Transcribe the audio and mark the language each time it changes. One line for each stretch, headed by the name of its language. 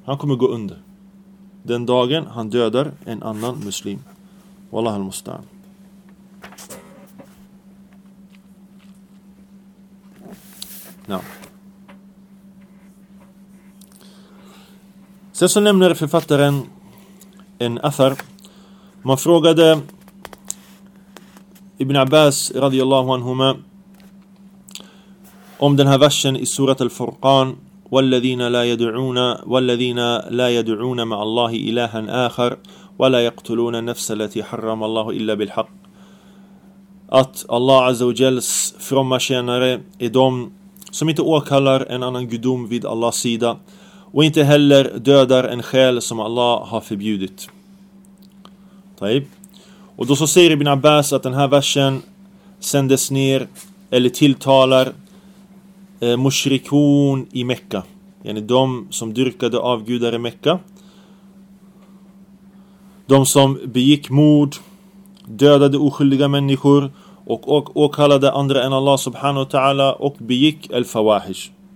Swedish: Han kommer gå under den dagen han dödar en annan muslim. Wallahu al-musta'an. No. Sen så nämner författaren en affär. Man frågade Ibn Abbas radiyallahu anhuma om den här versen i surat al-Furqan,
Arabic: والذين لا يدعون والذين لا يدعون مع الله إلها آخر ولا يقتلون نفس التي حرم الله إلا بالحق.
Swedish: Att Allah azza wa jalls fromma tjänare är de som inte åkallar en annan gudom vid Allahs sida och inte heller dödar en själ som Allah har förbjudit.
Arabic: طيب.
Swedish: Och då så säger Ibn Abbas att den här versen sändes ner eller tilltalar mushrikun i Mekka, yani de som dyrkade avgudar i Mekka, de som begick mord, dödade oskyldiga människor och åkallade andra än Allah subhanahu wa ta'ala och begick al-fawahish.